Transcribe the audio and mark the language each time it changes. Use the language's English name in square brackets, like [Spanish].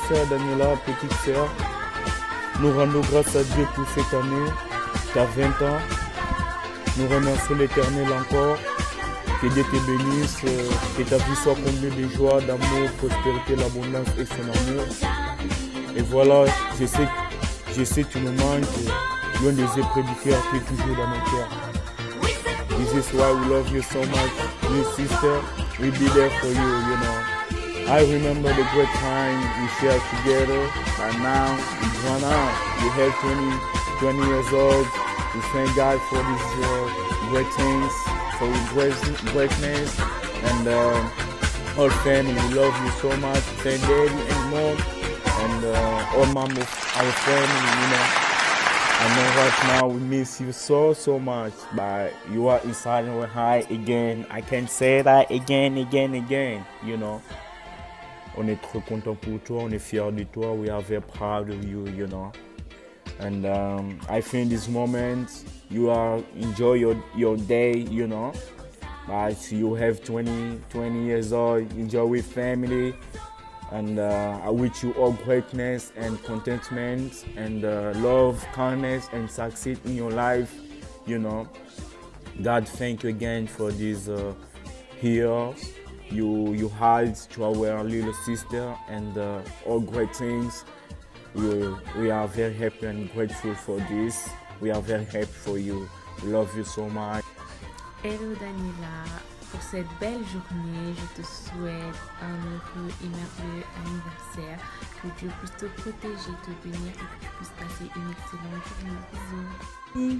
[French] Daniela, petite sœur, nous rendons grâce à Dieu pour cette année, tu as 20 ans, nous remercions l'Éternel encore, que Dieu te bénisse, que ta vie soit comblée de joie, d'amour, prospérité, l'abondance et son amour. Et voilà, je sais tu me manques, l'un des épreuves du cœur qui est toujours dans mon cœur. [English] This is why we love you so much, my sister, we'll be there for you, you know. I remember the great time we shared together, and now we grown up. We have 20 years old. We thank God for these great things, for his greatness, and all family. We love you so much, thank Daddy and Mom, and all mom of our family, you know. I know right now we miss you so much, but you are inside our heart again. I can say that again, you know. [French] On est très content pour toi, on est fier de toi. [English] We are very proud of you, you know. And I think this moment you are enjoy your day, you know. But you have 20 years old, enjoy with family. And I wish you all greatness and contentment and love, kindness and success in your life, you know. God, thank you again for this years. You hide to our little sister and all great things. We are very happy and grateful for this. We are very happy for you. We love you so much. [French] Hello Daniela, pour cette belle journée, je te souhaite un heureux et merveilleux anniversaire. Que Dieu puisse te protéger, te bénir et que tu puisses passer une excellente journée.